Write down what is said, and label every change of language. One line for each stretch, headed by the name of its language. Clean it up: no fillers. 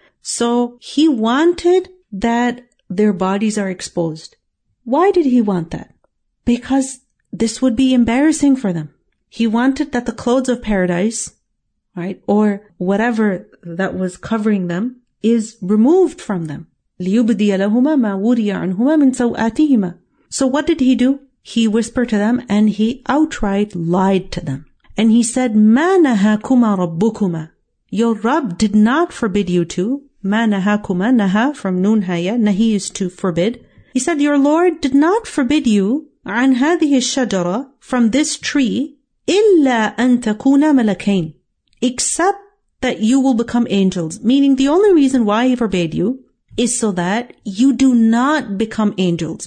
English: So he wanted that their bodies are exposed. Why did he want that? Because this would be embarrassing for them. He wanted that the clothes of paradise, right, or whatever that was covering them, is removed from them.
Arabic: لِيُبْدِيَ لَهُمَا مَا وُرِيَ عَنْهُمَا مِنْ سَوْآتِهِمَا
English: So what did he do? He whispered to them and he outright lied to them. And he said,
Arabic: مَا نَهَاكُمَا رَبُّكُمَا
English: Your Rabb did not forbid you to.
Arabic: مَا نَهَاكُمَا نَهَا from نُون هَيَا نَهِي
English: is to forbid. He said, your Lord did not forbid you
Arabic: عَنْ هَذِهِ الشَّجَرَ
English: from this tree
Arabic: إِلَّا أَن تَكُونَ مَلَكَيْنِ
English: Except that you will become angels. Meaning the only reason why he forbade you is so that you do not become angels.